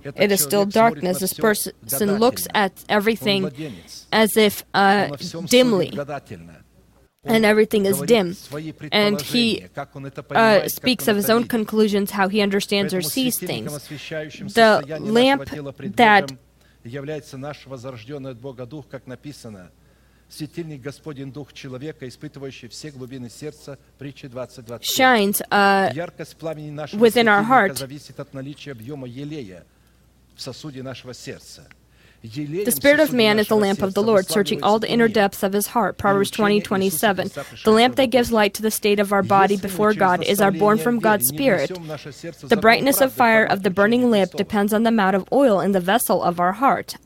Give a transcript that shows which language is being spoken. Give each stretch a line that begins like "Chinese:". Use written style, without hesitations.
English: It is still darkness. This person looks at everything as if dimly. And everything is dim. And he speaks of his own conclusions, how he understands or sees things. The lamp that
Russian: является наш возрожденный от Бога дух, как написано, светильник Господень дух человека, испытывающий все глубины сердца, притчи 20:23.
English: Shines
Russian: яркость пламени нашего
English: within our heart
Russian: зависит от наличия объема елея в сосуде нашего сердца.
English: The spirit of man is the lamp of the Lord, searching all the inner depths of his heart. Proverbs 20:27. The lamp that gives light to the state of our body before God is our born from God spirit. The brightness of fire of the burning lamp depends on the amount of oil in the vessel of our heart.